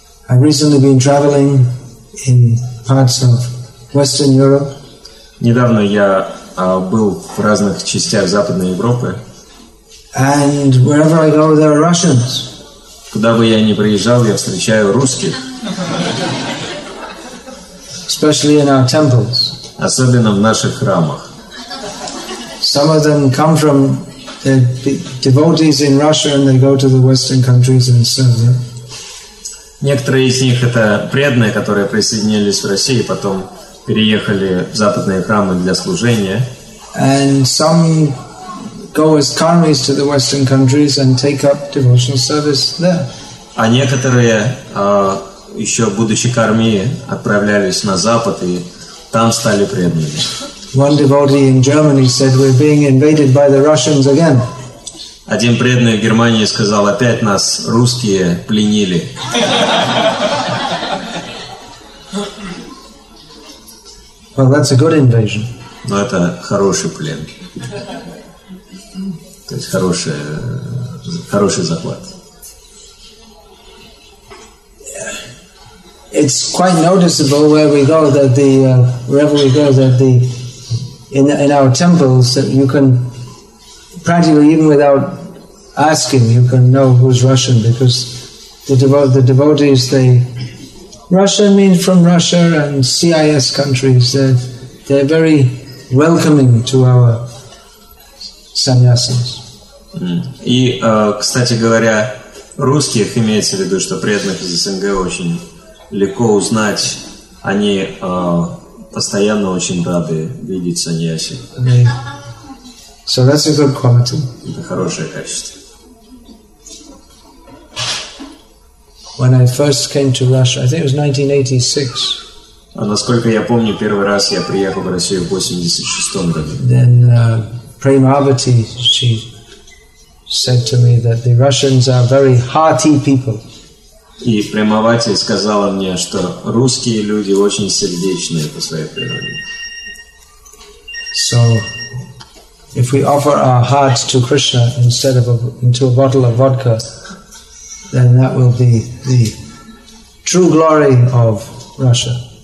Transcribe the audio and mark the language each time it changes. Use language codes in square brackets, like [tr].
[en] I've recently been traveling in parts of Western Europe. [ru] Недавно я был в разных частях Западной Европы. [en] And wherever I go, there are Russians. [ru] Куда бы я ни приезжал, я встречаю русских. [en] Especially in our temples. [ru] Особенно в наших храмах. [en] Some of them come from the devotees in Russia, and they go to the Western countries and serve them. [ru] Некоторые из них — это преданные, которые присоединились в России, потом переехали в западные храмы для служения. [en] And some go as karmis to the Western countries and take up devotional service there. [ru] А некоторые, еще будучи кармии, отправлялись на Запад и там стали преданными. [en] One devotee in Germany said, "We're being invaded by the Russians again." [ru] Один преданный в Германии сказал: «Опять нас русские пленили». [en] Well, that's a good invasion. [ru] Но это хороший плен. То есть хороший захват. [en] It's quite noticeable where we go that the wherever we go that the in our temples that you can practically even without asking, you can know who's Russian because the devotees they Russian means from Russia and CIS countries. They're very welcoming to our sannyasins. [ru] И, кстати говоря, русских имеется в виду, что преданных из СНГ очень легко узнать. Они постоянно очень рады видеть саньяси. [en] Okay. So that's a good quality. [ru] Это хорошее качество. [en] When I first came to Russia, I think it was 1986. [ru] А насколько я помню, первый раз я приехал в Россию в 86-м году. [en] Then Premavati, she said to me that the Russians are very hearty people. [ru] И Премавати сказала мне, что русские люди очень сердечные по своей природе. [en] So, if we offer our hearts to Krishna instead of into a bottle of vodka, then that will be the true glory of Russia.